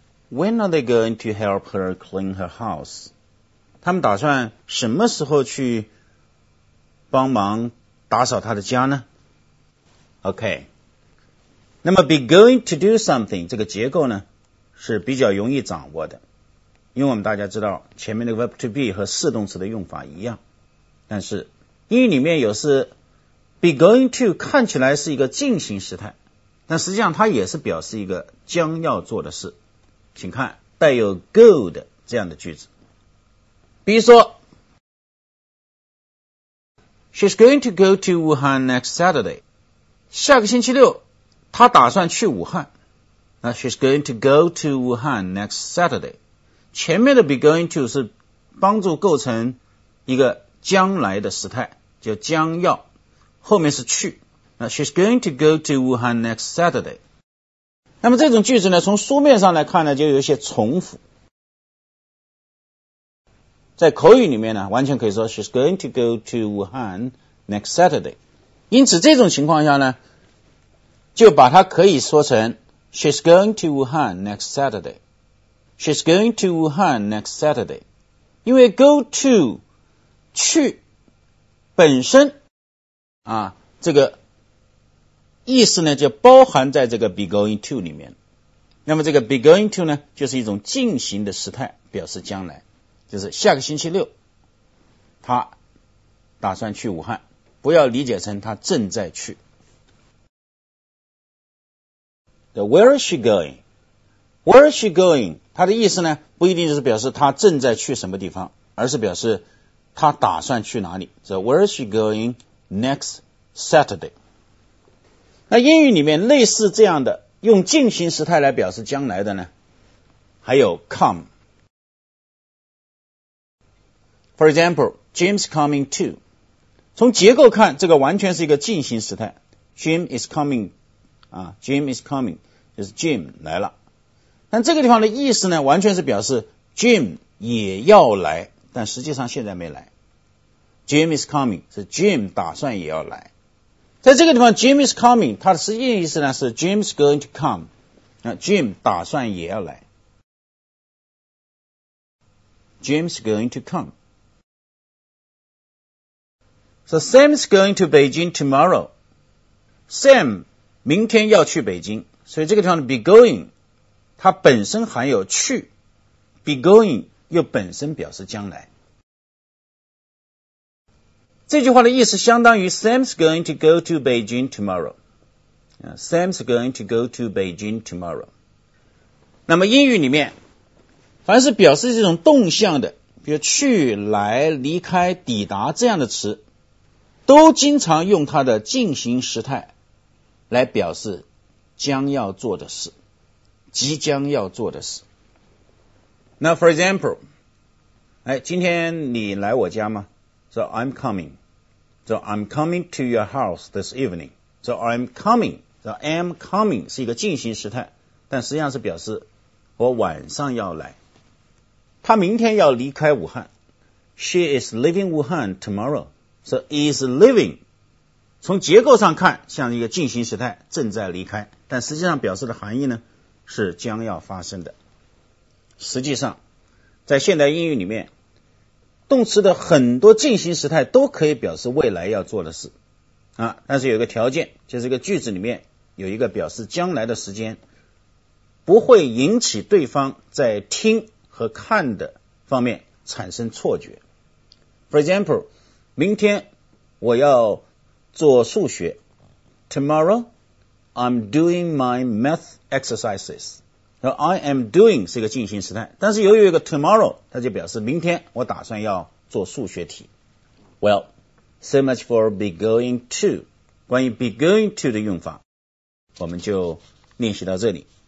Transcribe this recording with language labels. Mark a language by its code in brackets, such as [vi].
[en] When are they going to help her clean her house? [zh] 他们打算什么时候去帮忙打扫她的家呢？ [en] OK. [zh] 那么 be going to do something 这个结构呢是比较容易掌握的。因为我们大家知道前面的 verb to be 和是动词的用法一样。但是英语里面有时 be going to 看起来是一个进行时态。但实际上它也是表示一个将要做的事。请看带有 go 的这样的句子。比如说 [en] She's going to go to Wuhan next Saturday. [zh] 下个星期六她打算去武汉。 [en] 那 She's going to go to Wuhan next Saturday. [zh] 前面的 be going to 是帮助构成一个将来的时态叫将要。后面是去。 [en] 那 She's going to go to Wuhan next Saturday. [zh] 那么这种句子呢从书面上来看呢就有一些重复。在口语里面呢完全可以说 [en] She's going to go to Wuhan next Saturday. [zh] 因此这种情况下呢就把它可以说成 [en] She's going to Wuhan next Saturday. She's going to Wuhan next Saturday. [zh] 因为 go to, 去本身啊这个意思呢就包含在这个 be going to 里面。那么这个 be going to 呢就是一种进行的时态表示将来。就是下个星期六他打算去武汉。不要理解成他正在去。 [en] Where is she going? Where is she going? [zh] 他的意思呢不一定就是表示他正在去什么地方而是表示他打算去哪里。 [en] So where is she going next Saturday? [zh] 那英语里面类似这样的用进行时态来表示将来的呢还有 come [en] for example Jim's coming to [zh] 从结构看这个完全是一个进行时态 Jim is coming、啊、Jim is coming 就是 Jim 来了但这个地方的意思呢完全是表示 Jim 也要来但实际上现在没来 Jim is coming 是 Jim 打算也要来在这个地方 Jim is coming 它的实际意思呢是 [en] Jim is going to come [zh] 那 Jim 打算也要来 [en] Jim is going to come So Sam is going to Beijing tomorrow Sam [zh] 明天要去北京，所以这个地方的 be going 它本身含有去， be going 又本身表示将来。这句话的意思相当于 [en] Sam's going to go to Beijing tomorrow. Sam's going to go to Beijing tomorrow. [zh] 那么英语里面凡是表示这种动向的，比如去、来、离开、抵达这样的词，都经常用它的进行时态来表示将要做的事、即将要做的事。那 for example, 今天你来我家吗？ [en] So I'm coming. So I'm coming to your house this evening. So I'm coming. So I'm coming [zh] 是一个进行时态，但实际上是表示我晚上要来。他明天要离开武汉。 [en] She is leaving Wuhan tomorrow. So is leaving. [zh] 从结构上看像一个进行时态，正在离开。但实际上表示的含义呢是将要发生的。实际上在现代英语里面，动词的很多进行时态都可以表示未来要做的事。但是有一个条件，就是一个句子里面有一个表示将来的时间，不会引起对方在听和看的方面产生错觉。 For example, 明天我要做数学。 [en] Tomorrow, I'm doing my math exercises. Now, I am doing [zh] 是一个进行时态，但是由于一个 tomorrow, 它就表示明天我打算要做数学题。 [en] Well, so much for be going to. [zh] 关于 be going to 的用法，我们就练习到这里。